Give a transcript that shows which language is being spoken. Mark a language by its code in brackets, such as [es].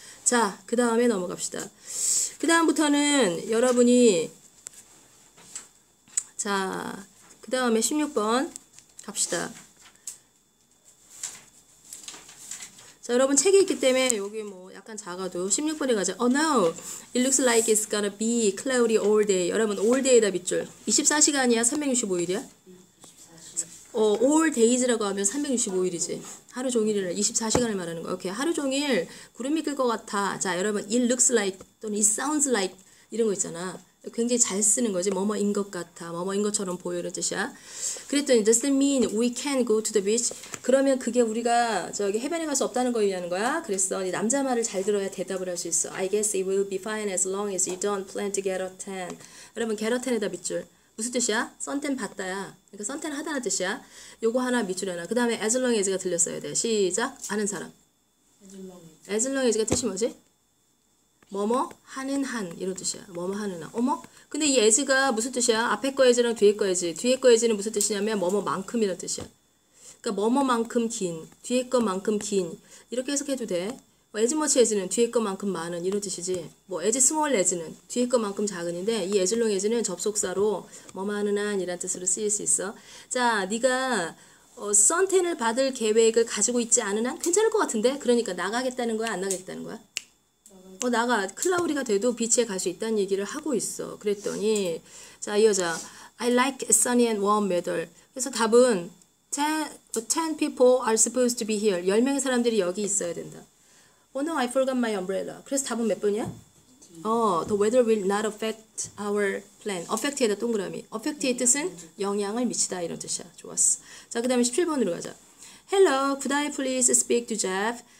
[ko] 자, 그 다음에 넘어갑시다. 그 다음부터는 여러분이 자, 그 다음에 16번 갑시다. 자, 여러분 책이 있기 때문에 여기 뭐 약간 작아도 16번에 가자. [en] Oh no! It looks like it's gonna be cloudy all day. [ko] 여러분 all day다 밑줄. 24시간이야? 365일이야? all days라고 하면 365일이지. 하루 종일을 24시간을 말하는 거야. 오케이. 하루 종일 구름이 끌 것 같아. 자, 여러분 [en] it looks like [ko] 또는 [en] it sounds like [ko] 이런 거 있잖아. 굉장히 잘 쓰는 거지. 뭐뭐인 것 같아. 뭐뭐인 것처럼 보이는 뜻이야. 그랬더니 [en] does that mean we can go to the beach? [ko] 그러면 그게 우리가 저기 해변에 갈 수 없다는 거 의미하는 거야? 그랬어. 네 남자 말을 잘 들어야 대답을 할 수 있어. [en] I guess it will be fine as long as you don't plan to get a tan. [ko] 여러분 [en] get a tan [ko] 에다 밑줄. 무슨 뜻이야? 선텐 받다야. 그러니까 선텐 하다는 뜻이야. 요거 하나 밑줄 하나. 그 다음에 [en] as long as [ko] 가 들렸어야 돼. 시작. 아는 사람. [en] As long as [ko] 가 뜻이 뭐지? 뭐뭐 하는 한 이런 뜻이야. 뭐뭐 하는 한. 어머? 근데 이 as가 무슨 뜻이야? 앞에 거 as랑 뒤에 거 as. 뒤에 거 as는 무슨 뜻이냐면 뭐뭐만큼이란 뜻이야. 그러니까 뭐뭐만큼 긴, 뒤에 거만큼 긴. 이렇게 해석해도 돼. [en] as much as [ko] 는 뒤에 거만큼 많은 이런 뜻이지. 뭐 [en] as small as [ko] 는 뒤에 거만큼 작은인데 이 [en] as long as [ko] 는 접속사로 뭐뭐 하는 한 이란 뜻으로 쓰일 수 있어. 자, 네가 선텐을 받을 계획을 가지고 있지 않은 한 괜찮을 것 같은데? 그러니까 나가겠다는 거야, 안 나가겠다는 거야? 나가 클라우리가 돼도 비치에 갈 수 있다는 얘기를 하고 있어. 그랬더니 자, 이 여자 [en] I like sunny and warm weather. [ko] 그래서 답은 [en] 10 people are supposed to be here. [ko] 10명의 사람들이 여기 있어야 된다. [en] Oh no, I forgot my umbrella. [ko] 그래서 답은 몇 번이야? [en] The weather will not affect our plan. [ko] Affect에다 동그라미. Affect의 뜻은 영향을 미치다 이런 뜻이야. 좋았어. 자, 그 다음에 17번으로 가자. [en] Hello, could I please speak to Jeff?